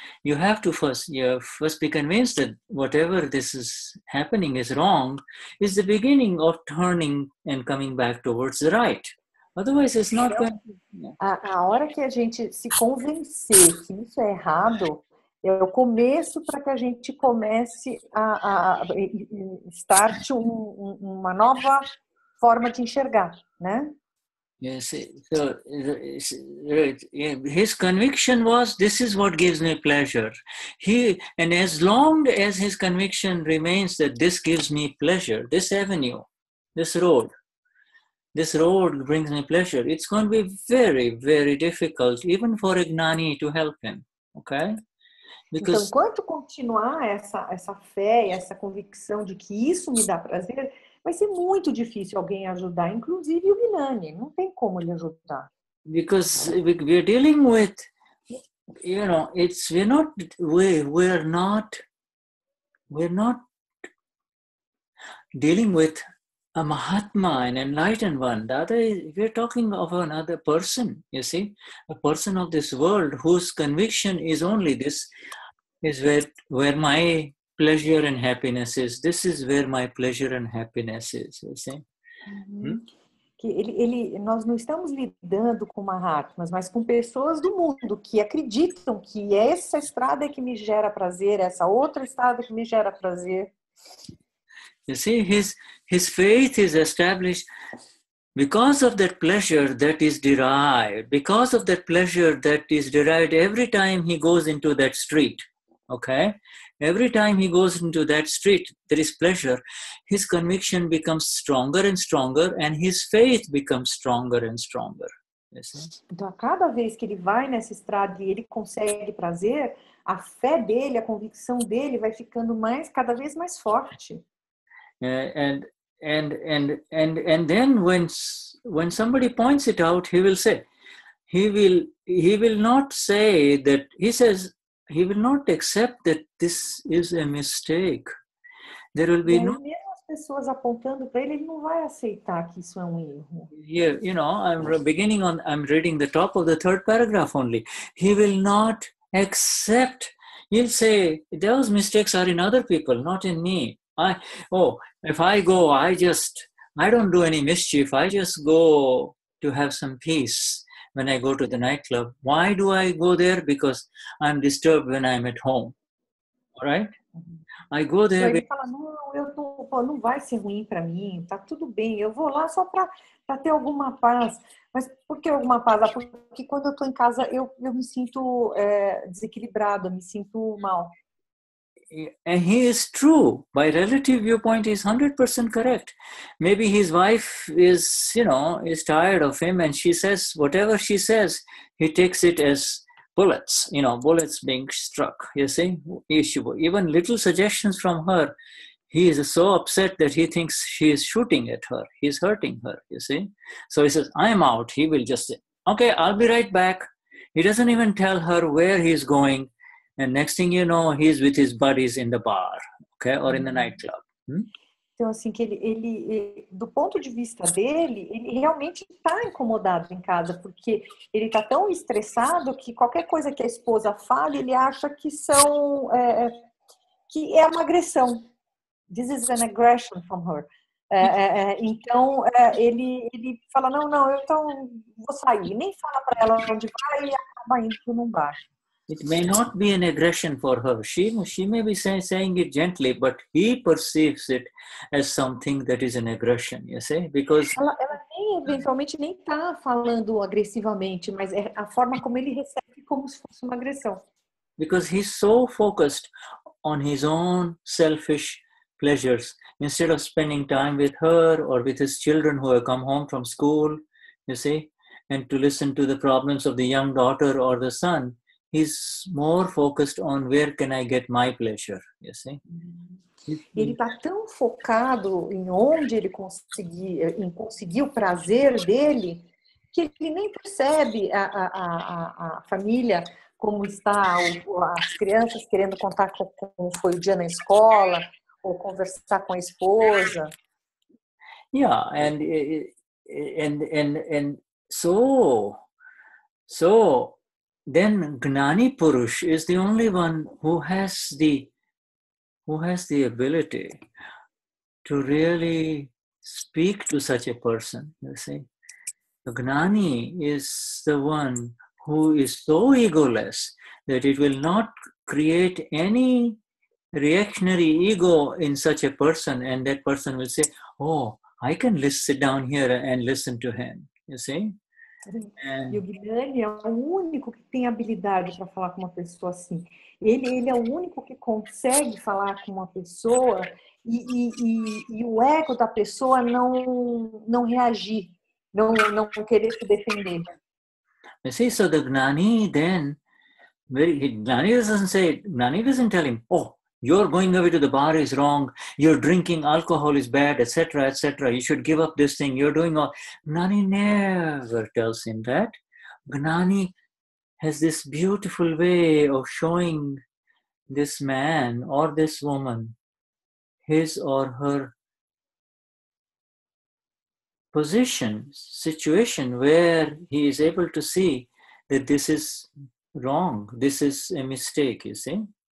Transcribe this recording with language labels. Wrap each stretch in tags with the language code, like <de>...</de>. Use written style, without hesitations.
<en>You have to first be convinced that whatever this is happening is wrong is the beginning of turning and coming back towards the right. Otherwise, it's not going to...</en> <pt>A hora que a gente se convencer que isso é errado, é o começo para que a gente comece a start uma nova forma de enxergar, né?</pt> <en>Yes, so his conviction was, this is what gives me pleasure. He, and as long as his conviction remains that this gives me pleasure, this avenue, this road brings me pleasure, it's going to be very, very difficult, even for a Gnani to help him, okay?</en> <pt>Because, então, quanto continuar essa fé, essa convicção de que isso me dá prazer, vai ser muito difícil alguém ajudar, inclusive o Gnani. Não tem como ele ajudar.</pt> <en>Because we are dealing with, you know, it's we're not dealing with a Mahatma, an enlightened one. We're talking of another person, you see, a person of this world whose conviction is only this is where my pleasure and happiness is. This is where my pleasure and happiness is, you see?</en> <pt>Que ele, nós não estamos lidando com Mahatmas, mas com pessoas do mundo que acreditam que essa estrada é que me gera prazer, essa outra estrada é que me gera prazer.</pt> <en>You see, his faith is established because of that pleasure that is derived, because of that pleasure that is derived every time he goes into that street, okay? Every time he goes into that street, there is pleasure. His conviction becomes stronger and stronger, and his faith becomes stronger and stronger. Yes.</en> <pt>Então, a cada vez que ele vai nessa estrada e ele consegue prazer, a fé dele, a convicção dele, vai ficando mais, cada vez mais forte.</pt> <en>And then when somebody points it out, he will say, he will not accept that this is a mistake. There will be no.</en> <pt>Mesmo as pessoas apontando para ele, ele não vai aceitar que isso é um erro.</pt> <en>Yeah, you know, I'm reading the top of the third paragraph only. He will not accept. He'll say, those mistakes are in other people, not in me. I don't do any mischief. I just go to have some peace. When I go to the nightclub, why do I go there? Because I'm disturbed when I'm at home. All right? I go there.</en> <pt>Ele fala, não vai ser ruim para mim, tá tudo bem. Eu vou lá só para ter alguma paz. Mas por que alguma paz? Porque quando eu tô em casa, eu me sinto desequilibrado, me sinto mal.</pt> <en>And he is true. By relative viewpoint, he is 100% correct. Maybe his wife is tired of him, and she says, whatever she says, he takes it as bullets, you know, bullets being struck. You see? Even little suggestions from her, he is so upset that he thinks she is shooting at her. He is hurting her, you see? So he says, I am out. He will just say, okay, I'll be right back. He doesn't even tell her where he is going. And next thing you know, he's with his buddies in the bar, okay, or in the nightclub.</en> <pt>Então, assim, que ele, do ponto de vista dele, ele realmente está incomodado em casa, porque ele está tão estressado que qualquer coisa que a esposa fale, ele acha que são, que é uma agressão.</pt> <en>This is an aggression from her.</en> <pt>Então, ele fala, não, eu então vou sair. Nem fala para ela onde vai e acaba indo para um bar.</pt> <en>It may not be an aggression for her. She may be saying it gently, but he perceives it as something that is an aggression, you see? Because</en> <pt>ela nem eventualmente nem tá falando agressivamente, mas é a forma como ele recebe como se fosse uma agressão.</pt> <en>Because he's so focused on his own selfish pleasures instead of spending time with her or with his children who have come home from school, you see, and to listen to the problems of the young daughter or the son. He's more focused on where can I get my pleasure, you see?</en> <pt>Ele está tão focado em onde ele conseguir o prazer dele que ele nem percebe a família, como está as crianças querendo contar como foi o dia na escola ou conversar com a esposa.</pt> <en>Yeah, and so then Gnani Purush is the only one who has the ability to really speak to such a person, you see. The Gnani is the one who is so egoless that it will not create any reactionary ego in such a person, and that person will say, oh, I can sit down here and listen to him, you see?</en> <pt>E o Guilherme é o único que tem habilidade para falar com uma pessoa assim. Ele é o único que consegue falar com uma pessoa e o ego da pessoa não reagir, não querer se defender.</pt> <en>You see, so the Gnani then, Gnani doesn't tell him, oh, you're going away to the bar is wrong, you're drinking, alcohol is bad, etc., etc., you should give up this thing, you're doing all. Gnani never tells him that. Gnani has this beautiful way of showing this man or this woman his or her position, situation, where he is able to see that this is wrong, this is a mistake, you see.</en>